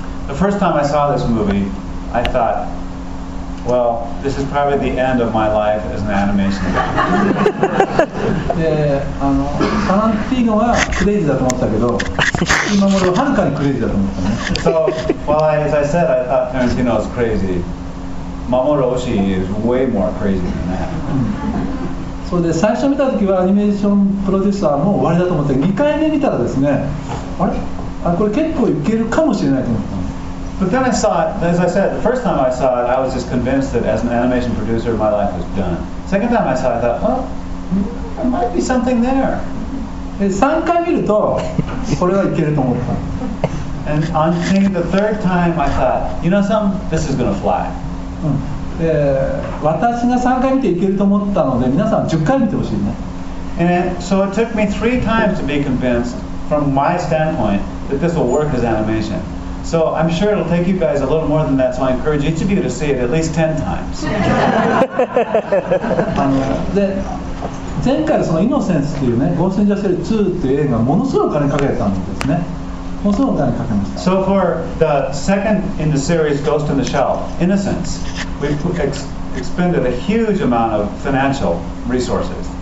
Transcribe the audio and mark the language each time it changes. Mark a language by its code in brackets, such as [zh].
[en] The first time I saw this movie, I thought, well, this is probably the end of my life as an animation guy. [ja] で、タランティーノはクレイジーだと思ったけど、今頃はるかにクレイジーだと思ったね。 [en] So, well, as I said, I thought Tarantino is crazy. Mamoru Oshii is way more crazy than that. [ja] そうで、最初見た時はアニメーションプロデューサーも終わりだと思って、2回目見たらですね、あれ？あ、これ結構いけるかもしれないと思ったね。 [en] But then I saw it, as I said, the first time I saw it, I was just convinced that as an animation producer, my life was done. Second time I saw it, I thought, well, there might be something there. [ja] And 3回見ると、これはいけると思った。 [en] And on seeing the third time, I thought, you know something? This is going to fly. [ja] うん。で、私が3回見ていけると思ったので、皆さん10回見てほしいね。 [en] And so it took me 3 times to be convinced, from my standpoint, that this will work as animation. So I'm sure it'll take you guys a little more than that, so I encourage each of you to see it at least 10 times. So for the second in the series, Ghost in the Shell, Innocence, we expended a huge amount of financial resources.